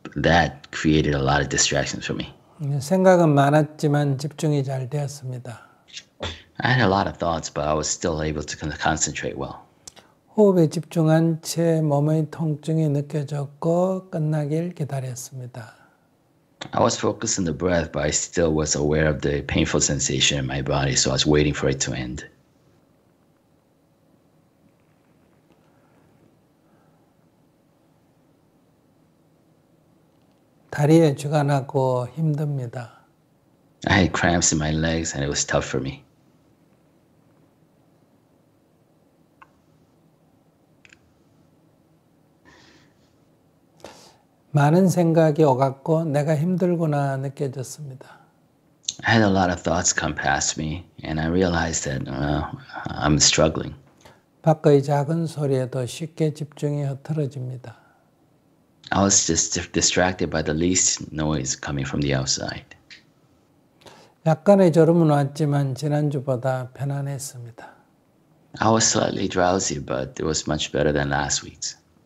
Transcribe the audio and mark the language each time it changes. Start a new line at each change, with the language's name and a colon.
English: That created a lot of distractions for me.
Korean: 생각은 많았지만 집중이 잘 되었습니다.
English: I had a lot of thoughts, but I was still able to concentrate well.
Korean: 호흡에 집중한 채 몸의 통증이 느껴졌고 끝나길 기다렸습니다.
English: I was focused on the breath, but I still was aware of the painful sensation in my body, so I was waiting for it to end.
Korean: 다리에 쥐가 나고 힘듭니다.
English: I had cramps in my legs and it was tough for me.
Korean: 많은 생각이 오갔고 내가 힘들구나 느껴졌습니다.
English: I had a lot of thoughts come past me and I realized that I'm struggling.
Korean: 밖의 작은 소리에도 쉽게 집중이 흐트러집니다.
English: I was just distracted by the least noise coming from the outside.
Korean: 약간의 졸음은 왔지만 지난주보다 편안했습니다.
English: I was slightly drowsy, but it was much better than last week's.